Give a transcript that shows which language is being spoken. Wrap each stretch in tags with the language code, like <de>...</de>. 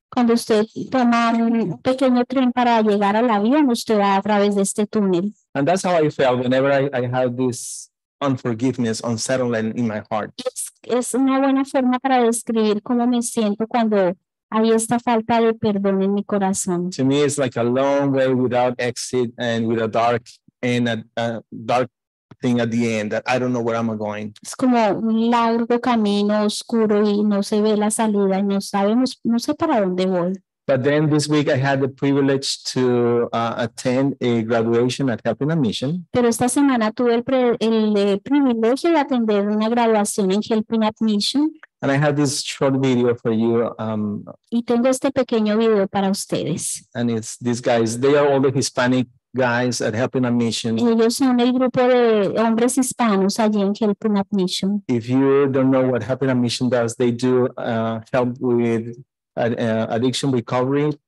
<es>Cuando usted toma un pequeño tren para llegar al avión, usted va a través de este túnel.</es> <en>And that's how I felt whenever I had this unforgiveness unsettling in my heart.</en> <es>Es una buena forma para describir cómo me siento cuando hay esta falta de perdón en mi corazón.</es> <en>To me, it's like a long way without exit and with a dark and a dark thing at the end that I don't know where I'm going.</en> <es>Es como un largo camino oscuro y no se ve la salida y no sabemos, no sé para dónde voy.</es> <en>But then this week I had the privilege to attend a graduation at Helping a Mission.</en> <es>Pero esta semana tuve el privilegio de atender una graduación en Helping a Mission.</es> <en>And I have this short video for you.</en> <es>Y tengo este pequeño video para ustedes.</es> <en>And it's these guys, they are all the Hispanic guys at Helping a Mission.</en> <es>Ellos son el grupo de hombres hispanos allí en Helping a Mission.</es> <en>If you don't know what Helping a Mission does, they do help with addiction recovery.</en>